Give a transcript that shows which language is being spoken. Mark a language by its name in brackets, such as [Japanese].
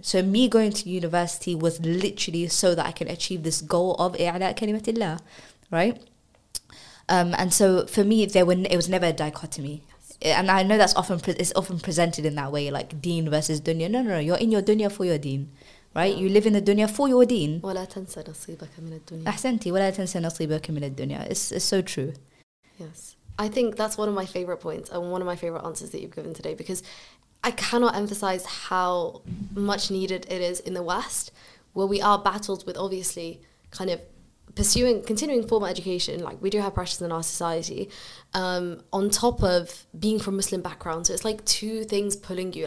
[English] So me going to university was literally so that I can achieve this goal of i'la kalimatillah, right? And so for me, it was never a dichotomy. And I know that's often it's often presented in that way, like deen versus dunya. No, you're in your dunya for your deen, right? Yeah. You live in the dunya for your deen. [Arabic] ولا تنسى نصيبك من الدنيا. أحسنتي ولا تنسى نصيبك من الدنيا. [English] It's so true. Yes. I think that's one of my favorite points and one of my favorite answers that you've given today, because I cannot emphasize how much needed it is in the West, where we are battled with obviously kind of continuing formal education. Like, we do have pressures in our society, on top of being from Muslim background. So it's like two things pulling you.